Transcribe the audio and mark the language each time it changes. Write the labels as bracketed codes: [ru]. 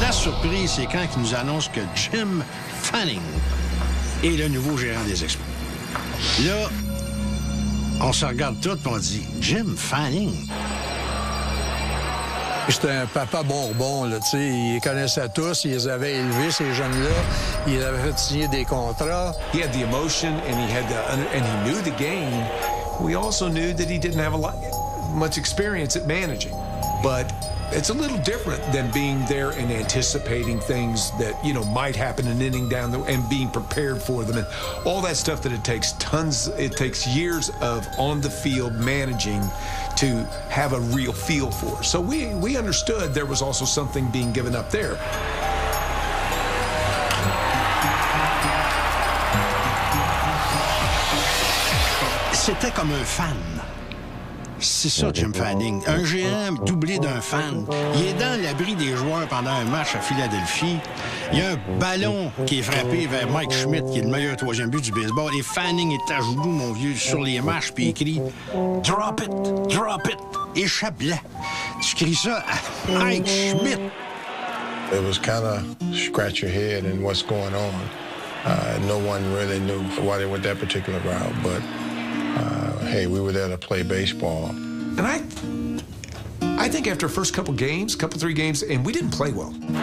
[fr] La surprise, c'est quand il nous annonce que Jim Fanning est le nouveau gérant des Expos. Là, on se regarde tout et on dit, Jim Fanning? C'était un papa bourbon, là, tu sais. Il connaissait tous, il les avait élevés, ces jeunes-là. Il avait fait signer des contrats. [en] He had the emotion, and he knew the game. We also knew that he didn't have much experience at managing. But it's a little different than being there and anticipating things that, you know, might happen an inning down the road and being prepared for them. And all that stuff that it takes years of on-the-field managing to have a real feel for. So we understood there was also something being given up there. [fr] C'était comme un fan. C'est ça, Jim Fanning. Un géant doublé d'un fan. Il est dans l'abri des joueurs pendant un match à Philadelphie. Il y a un ballon qui est frappé vers Mike Schmidt, qui est le meilleur troisième but du baseball. Et Fanning est à genoux, mon vieux, sur les marches, puis il crie « [en] Drop it! Drop it! [fr] Échappe-la! » Tu cries ça à Mike Schmidt. [en] It was kind of scratch your head and what's going on. No one really knew why they went that particular route, but... hey, we were there to play baseball. And I think after the first couple games, three games, and we didn't play well.